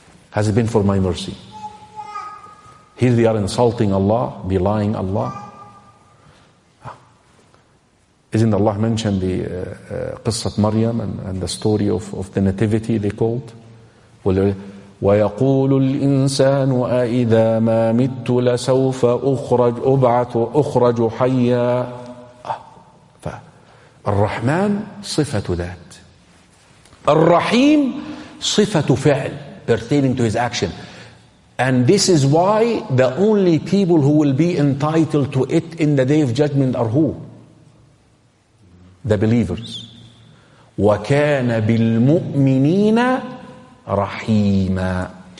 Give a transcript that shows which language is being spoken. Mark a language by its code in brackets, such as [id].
[en] Has it been for my mercy? Here they are insulting Allah, belying Allah. Isn't Allah mentioned the qissat Maryam and the story of the nativity they called? [ar] وَيَقُولُ الْإِنسَانُ أَإِذَا مَا مِتُّ لَسَوْفَ أُخْرَجُ أُبْعَثُ أُخْرَجُ حَيَّا. الرحمن صفة ذات. [en] Ar-Rahim, [ar] sifatu fi'l, [en] pertaining to his action. And this is why the only people who will be entitled to it in the Day of Judgment are who? The believers. [ar] وَكَانَ بِالْمُؤْمِنِينَ رَحِيمًا.